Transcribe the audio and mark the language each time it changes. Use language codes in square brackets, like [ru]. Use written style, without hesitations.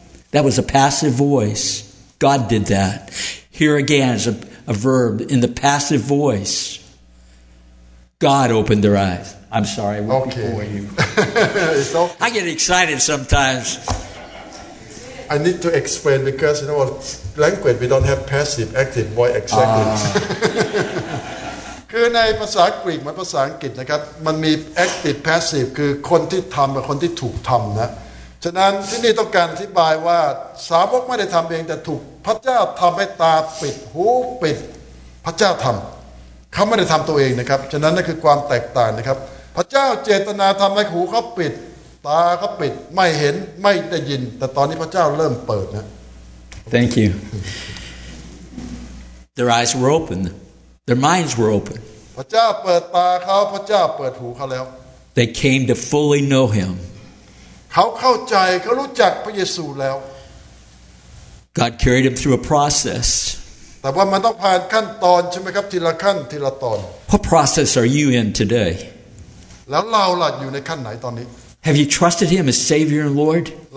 [en] That was a passive voice. God did that. Here again is a verb in the passive voice. God opened their eyes. I'm sorry. Okay. Before you. I get excited sometimes. I need to explain because, you know, language, we don't have passive, active voice exactly. [th] คือในภาษากรีกมันภาษาอังกฤษนะครับมันมี active, passive คือคนที่ทำกับคนที่ถูกทำนะฉะนั้นที่นี่ต้องการอธิบายว่าสาวกไม่ได้ทำเองแต่ถูกพระเจ้าทำให้ตาปิดหูปิดพระเจ้าทำเขาไม่ได้ทำตัวเองนะครับฉะนั้นนั่นคือความแตกต่างนะครับพระเจ้าเจตนาทำให้หูเขาปิดตาเขาปิดไม่เห็นไม่ได้ยินแต่ตอนนี้พระเจ้าเริ่มเปิดนะ [en] Thank you Their eyes were open Their minds were open [th] พระเจ้าเปิดตาเขาพระเจ้าเปิดหูเขาแล้ว [en] They came to fully know him [th] เขาเข้าใจเขารู้จักพระเยซูแล้ว [en] God carried him through a process [th] แต่ว่ามันต้องผ่านขั้นตอนใช่ไหมครับทีละขั้นทีละตอน [en] What process are you in today [th] แล้วเราล่ะอยู่ในขั้นไหนตอนนี้ [en] Have you trusted him as Savior and Lord?